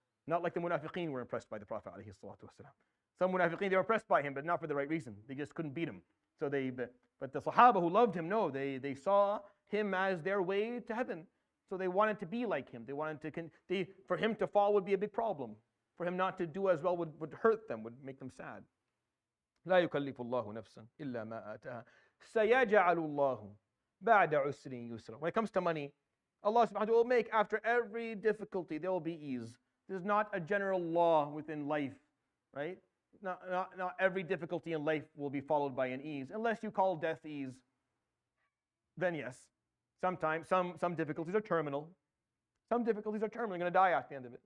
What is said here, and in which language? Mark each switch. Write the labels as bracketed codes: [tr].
[en] Not like the munafiqeen were impressed by the Prophet alayhi salatu wasalam. Some munafiqeen, they were impressed by him, but not for the right reason. They just couldn't beat him. So but the Sahaba who loved him, no, they saw him as their way to heaven. So they wanted to be like him. They wanted to, for him to fall would be a big problem. For him not to do as well would hurt them, would make them sad. [ar] لا يكلف الله نفسا إلا ما آتاها سيجعل الله بعد عسر يسرا. [en] When it comes to money, Allah subhanahu wa ta'ala will make, after every difficulty, there will be ease. This is not a general law within life, right? Not every difficulty in life will be followed by an ease. Unless you call death ease, then yes. Sometimes, some difficulties are terminal. Some difficulties are terminal, you're going to die at the end of it.